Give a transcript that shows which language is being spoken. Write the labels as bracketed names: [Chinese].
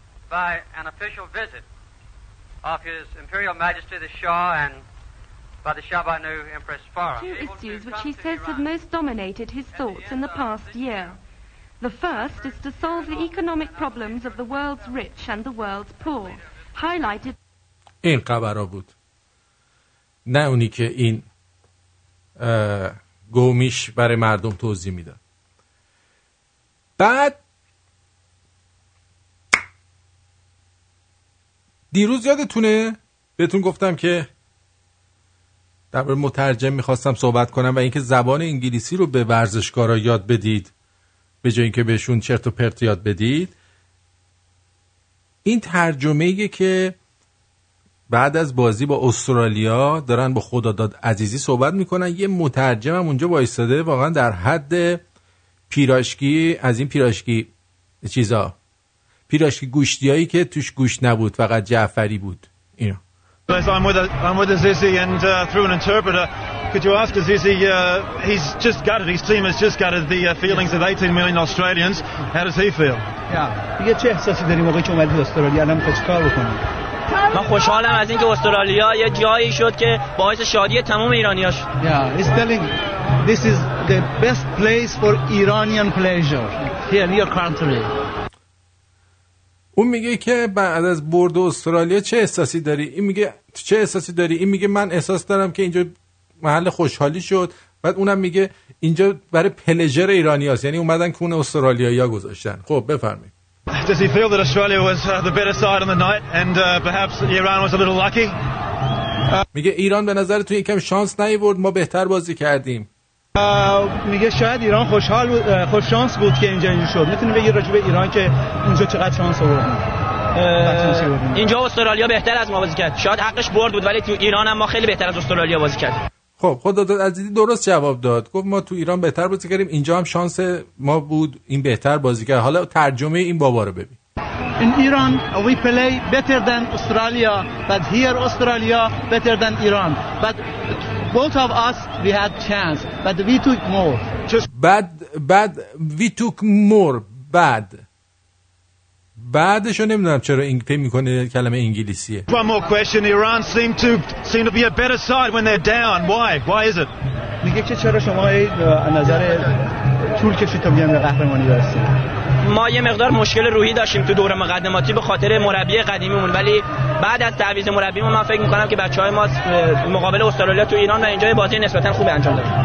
[English] By an official visit of His Imperial Majesty the Shah and by the Shabanu Empress Farah. Two issues which he says have most dominated his thoughts in the past year. The first is to solve the economic problems of the world's rich and the world's poor. Highlighted. [Persian] این خبر بود. نه اونی که این گومیش برای مردم توضیح میداد. بعد دیروز یادتونه بهتون گفتم که در مورد مترجم میخواستم صحبت کنم و اینکه زبان انگلیسی رو به ورزشکارا یاد بدید به جای اینکه بهشون چرت و پرت یاد بدید. این ترجمه ایه که بعد از بازی با استرالیا دارن با خداداد عزیزی صحبت میکنن، یه مترجم هم اونجا وایستاده واقعا در حد پیراشکی، از این پیراشکی چیزا، پیراشکی گوشتی هایی که توش گوشت نبود فقط جعفری بود. اینو [English] I'm with Azizi and through an interpreter. Could you ask Azizi, he's just gutted, his team has just gutted the feelings of 18 million Australians. How does he feel? [Persian] دیگه چه احساسی داری موقعی که اومدی استرالیا؟ الان کجا کار بکنی؟ من خوشحالم از اینکه استرالیا یه جایی شد که باعث شادی تمام ایرانی‌ها شد. [English] He's telling this is the best place for Iranian pleasure here in your country. [Persian] اون میگه که بعد از برد استرالیا چه احساسی داری؟ این میگه تو چه احساسی داری؟ این میگه من احساس دارم که اینجا محل خوشحالی شد. بعد اونم میگه اینجا برای پلژر ایرانی هست، یعنی اومدن کون استرالیایی ها گذاشتن. خب بفرمید. [English] Does he feel that Australia was the better side on the night and perhaps Iran was a little lucky? [Persian] میگه ایران به نظر تو یکم شانس نیورد، ما بهتر بازی کردیم. میگه شاید ایران خوشحال بود، خوش شانس بود که اینجا شد. میتونی بگی راجع به ایران که اونجا چقدر شانس آوردن؟ اینجا استرالیا بهتر از ما بازی کرد، شاید حقش برد بود ولی تو ایران هم ما خیلی بهتر از استرالیا بازی کرد. خب خداداد عزیزی درست جواب داد، گفت ما تو ایران بهتر بازی کردیم، اینجا هم شانس ما بود، این بهتر بازی کرد. حالا ترجمه این بابا رو ببین. [English] In Iran we play better than Australia but here Australia better than Iran but both of us we had chance but we took more just bad we took more bad [Persian] بعدش رو نمیدونم چرا این پی میکنه کلمه انگلیسیه. [English] One more question. Iran seem to be a better side when they're down. Why is it? [Persian] میگه که چرا شما نظر طول کشید تا بیان به قهرمانی برسید؟ ما یه مقدار مشکل روحی داشتیم تو دوره مقدماتی به خاطر مربی قدیمیمون، ولی بعد از تعویض مربیمون من فکر می‌کنم که بچه‌های ما مقابل استرالیا تو ایران و اینجا بازی نسبتا خوب انجام دادن.